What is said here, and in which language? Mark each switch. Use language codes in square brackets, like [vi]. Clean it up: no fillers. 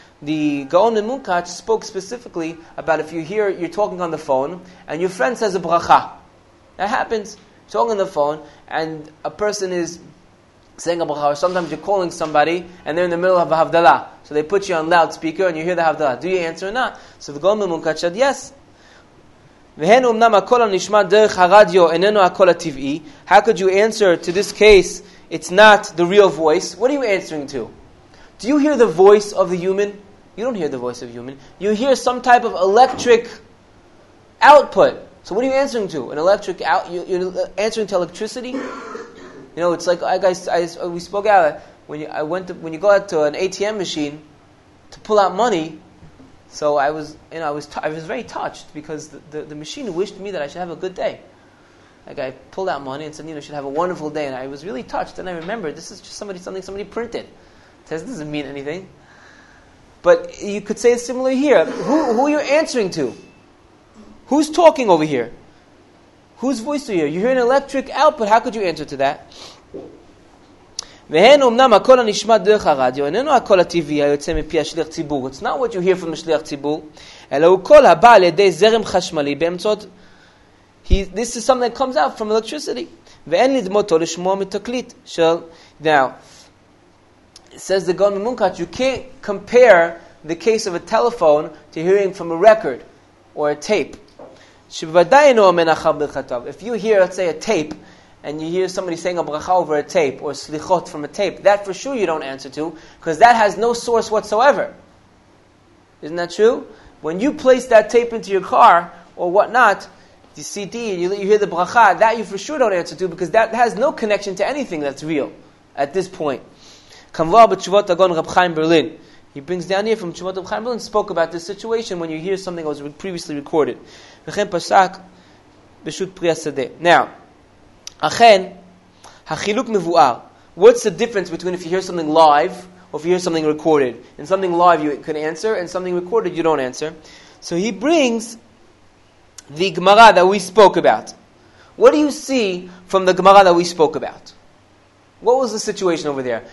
[en] The Gaon in Munkach spoke specifically about if you hear, you're talking on the phone, and your friend says a bracha. That happens. You're talking on the phone, and a person is saying a bracha, or sometimes you're calling somebody, and they're in the middle of a havdalah. So they put you on loudspeaker, and you hear the havdalah. Do you answer or not? So the Gaon in Munkach said yes. [he] והן אמנם הקול הנשמע דרך הרדיו איננו הקול הטבעי. [en] How could you answer to this case, it's not the real voice? What are you answering to? Do you hear the voice of the human? You don't hear the voice of human. You hear some type of electric output. So what are you answering to? An electric out? You're answering to electricity? You know, it's like, we spoke out, when you go out to an ATM machine to pull out money. So I was very touched because the machine wished me that I should have a good day. Like I pulled out money and said, you know, I should have a wonderful day. And I was really touched. Then I remembered, this is just something somebody printed. It says, this doesn't mean anything. But you could say it's similar here. Who are you answering to? Who's talking over here? Whose voice do you hear? You hear an electric output. How could you answer to that? [he] והן אמנם הקול הנשמע דרך הרדיו, איננו הקול הטבעי היוצא מפי השליח ציבור. [en] It's not what you hear from the [he] שליח ציבור, אלא הוא קול הבא על ידי זרם חשמלי באמצעות... [en] This is something that comes out from electricity. [he] ואין לדמותו לשמוע מתקליט של... [en] Now, it says the Gaon Mevilna, you can't compare the case of a telephone to hearing from a record or a tape. [he] שבוודאי אינו אמן אחר ברכתיו. [en] If you hear, let's say, a tape, and you hear somebody saying a bracha over a tape, or slichot from a tape, that for sure you don't answer to, because that has no source whatsoever. Isn't that true? When you place that tape into your car, or whatnot, the CD, and you hear the bracha, that you for sure don't answer to, because that has no connection to anything that's real, at this point. [he] Kamvar b'tshuvot agon [en] Reb Chaim Berlin. He brings down here from Tshuvot Reb Chaim Berlin, spoke about this situation when you hear something that was previously recorded. [he] V'chem pasak b'shut pri ha-sadeh. Now, אכן, החילוק מבואר. [en] What's the difference between if you hear something live or if you hear something recorded? In something live you can answer, and something recorded you don't answer. So he brings the Gemara that we spoke about. What do you see from the Gemara that we spoke about? What was the situation over there?